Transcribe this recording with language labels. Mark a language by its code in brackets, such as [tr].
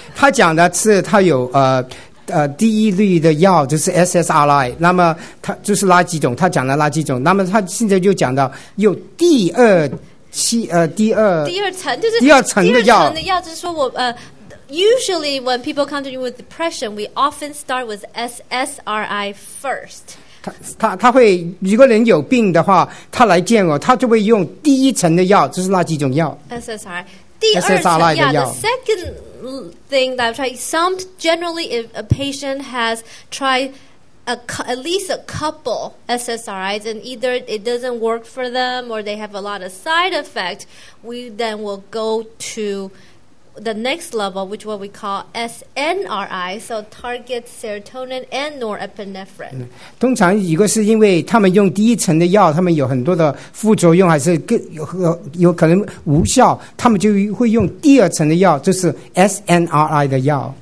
[zh] 他讲的是他有第一类的药就是 SSRI 那么他就是那几种他讲的那几种那么他现在就讲到又第二层的药就是说我 [en] usually when people come to you with depression we often start with SSRI first [zh] 他会如果人有病的话他来见我他就会用第一层的药就是那几种药 [en] SSRI [zh] 第二层的药 [en] the second thing that I've tried, some generally if a patient has tried at least a couple SSRIs and either it doesn't work for them or they have a lot of side effects, we then will go to the next level, which what we call SNRI, so target serotonin and norepinephrine. [zh] 通常一个是因为他们用第一层的药，他们有很多的副作用，还是有可能无效，他们就会用第二层的药，就是 SNRI 的药。